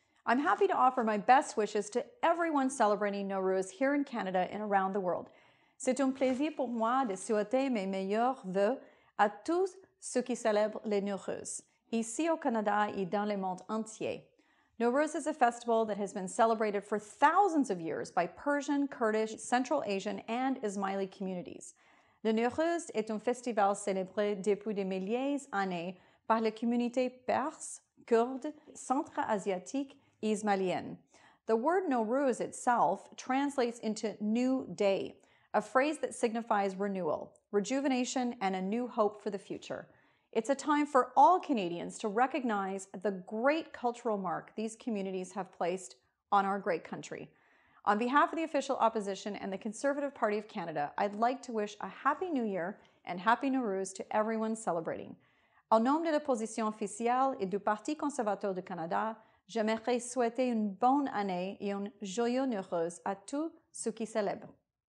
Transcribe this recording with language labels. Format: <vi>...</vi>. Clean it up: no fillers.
<en>I'm happy to offer my best wishes to everyone celebrating Nawroz here in Canada and around the world.</en> <fr>C'est un plaisir pour moi de souhaiter mes meilleurs vœux à tous ceux qui célèbrent les Nawroz, ici au Canada et dans le monde entier.</fr> <en>Nawroz is a festival that has been celebrated for thousands of years by Persian, Kurdish, Central Asian, and Ismaili communities.</en> <fr>Le Nawroz est un festival célébré depuis des milliers d'années par les communautés perses, kurdes, centre-asiatiques et ismaéliennes.</fr> <en>The word Nawroz itself translates into new day, a phrase that signifies renewal, rejuvenation, and a new hope for the future. It's a time for all Canadians to recognize the great cultural mark these communities have placed on our great country. On behalf of the official opposition and the Conservative Party of Canada, I'd like to wish a Happy New Year and Happy Nawroz to everyone celebrating.</en> <fr>Au nom de l'opposition officielle et du Parti conservateur du Canada, j'aimerais souhaiter une bonne année et un joyeux Nawroz à tous ceux qui célèbrent.</fr>